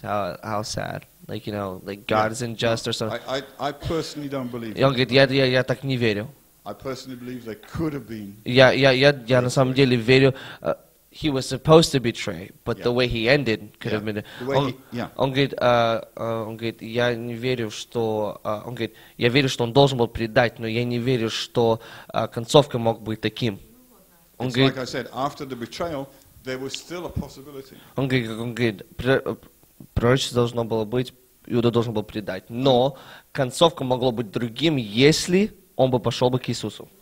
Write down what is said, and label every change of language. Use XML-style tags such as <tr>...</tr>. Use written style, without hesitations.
<en>How sad. Like, you know, like God is unjust or something. I personally don't believe.</en> <ru>Он говорит, я так не верю.</ru> <en>I personally believe there could have been.</en> <ru>Я на самом деле верю.</ru> <en>He was supposed to betray, but the way he ended could have been.</en> <ru>Он говорит, я не верю, что. Он говорит, я верю, что он должен был предать, но я не верю, что концовка мог быть таким. Он говорит,</ru> <en>like I said, after the betrayal, there was still a possibility.</en> <ru>Пророчество должно было быть, Иуда должен был предать. Но концовка могла быть другим, если он бы пошел бы к Иисусу.</ru>